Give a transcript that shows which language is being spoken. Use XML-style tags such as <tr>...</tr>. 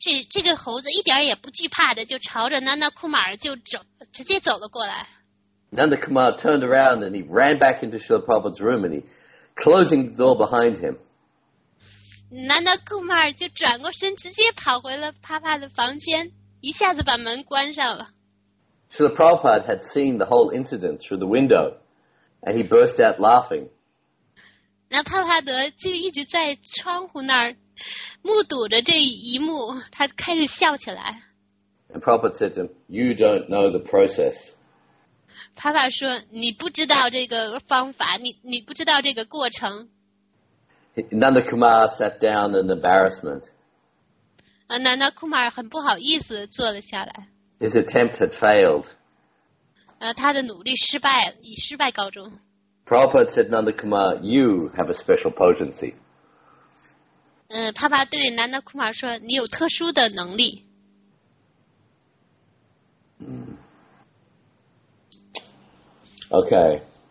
<zh>这个猴子一点也不惧怕的，就朝着南德库马尔就直接走了过来。</zh> <en>Nanda Kumar turned around and he ran back into Srila Prabhupada's room and he closing the door behind him.</en> <zh>Nanda Kumar 就转过身，直接跑回了帕帕的房间，一下子把门关上了。</zh> <en>Srila Prabhupada had seen the whole incident through the window, and he burst out laughing.</en> <zh>那帕帕德就一直在窗户那儿目睹着这一幕，他开始笑起来。</zh> <en>And Prabhupada said to him, "You don't know the process."</en> <zh>帕帕说：“你不知道这个方法，你不知道这个过程。”</zh> <en>Nanda Kumar sat down in embarrassment.</en> <zh>Nanda Kumar 很不好意思坐了下来。</zh> <en>His attempt had failed.</en> <zh>他的努力失败了，以失败告终。</zh> <en>Prabhupada said, Nanda Kumar, you have a special potency.</en> <zh>帕帕对 Nanda Kumar 说，你有特殊的能力。</zh> <en>Okay.</en>